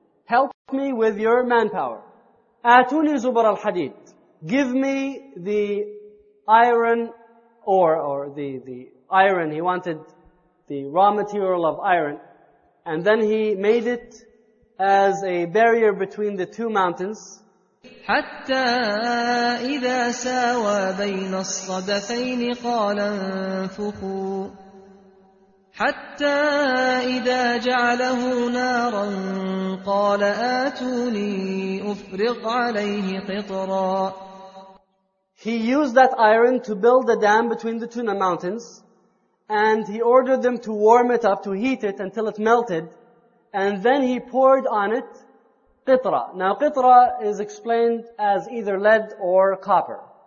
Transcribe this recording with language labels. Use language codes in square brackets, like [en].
[en] Help me with your manpower. [ar] Atuni zubar al hadid. [en] Give me the iron ore, or the iron. He wanted the raw material of iron. And then he made it as a barrier between the two mountains. [ar] حتى إذا ساوى بين الصدفين قال انفخوا حتى إذا جعله نارا قال آتوني أفرغ عليه قطرا. [en] He used that iron to build a dam between the two mountains, and he ordered them to warm it up, to heat it until it melted, and then he poured on it qitra. Now qitra is explained as either lead or copper.